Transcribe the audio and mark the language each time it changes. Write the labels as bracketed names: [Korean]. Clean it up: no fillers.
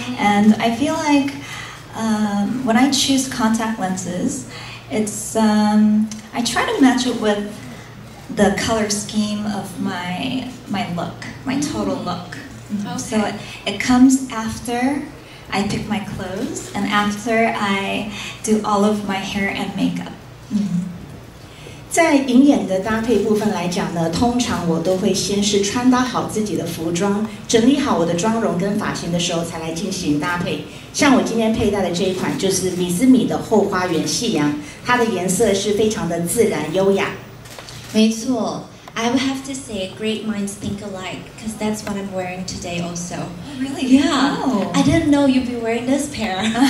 [English] And I feel like when I choose contact lenses, I try to match it with the color scheme of my look, my total look. Okay. So it comes after... I pick my clothes, and after I do all of my hair and makeup. [Chinese] 在银眼的搭配部分来讲呢，通常我都会先是穿搭好自己的服装，整理好我的妆容跟发型的时候才来进行搭配。像我今天佩戴的这一款就是米斯米的后花园夕阳，它的颜色是非常的自然优雅。 [English] 没错， I would have to say great minds think alike, because that's what I'm wearing today also. Really? Yeah. No. I didn't know you'd be wearing this pair.